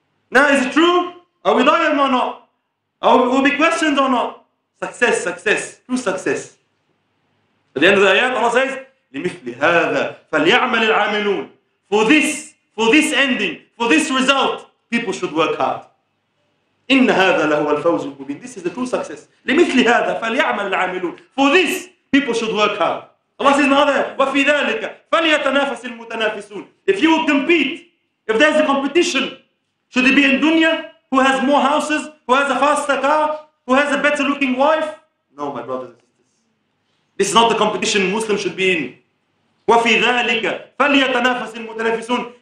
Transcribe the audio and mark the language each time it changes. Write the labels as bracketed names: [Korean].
[English] Now, is it true? Are we dying or not? Will be questioned or not? Success, true success. At the end of the ayat, Allah says, [Arabic] لِمِثْلِ هَذَا فَلْيَعْمَلِ الْعَامِلُونَ. [English] For this ending, for this result, people should work hard. [Arabic] إن هذا لهو الفوز المبين. [English] This is the true success. [Arabic] لمثل هذا فليعمل العاملون. [English] For this, people should work hard. Allah says, another, [Arabic] وفي ذلك فليتنافس المتنافسون. [English] If you will compete, if there's a competition, should it be in dunya? Who has more houses? Who has a faster car? Who has a better looking wife? No, my brothers and sisters. This is not the competition Muslims should be in. [Arabic] وفي ذلك فليتنافس المتنافسون.